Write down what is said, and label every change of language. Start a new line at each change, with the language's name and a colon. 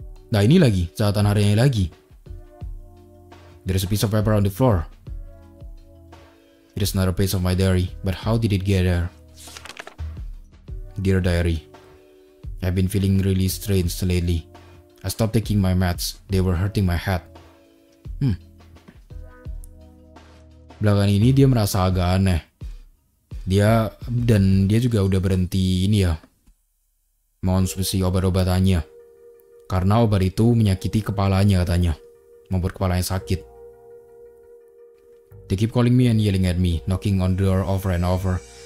Indonesian: Nah, ini lagi, catatan harinya lagi.
English: There's a piece of paper on the floor. It is not a piece of my diary, but how did it get there? Dear diary, I've been feeling really strange lately. I stopped taking my meds. They were hurting my head.
Indonesian: Belakangan ini dia merasa agak aneh. Dia juga udah berhenti ini ya. Mengonsumsi obat-obatannya. Karena obat itu menyakiti kepalanya katanya. Membuat kepalanya sakit.
English: They keep calling me and yelling at me, knocking on the door over and over.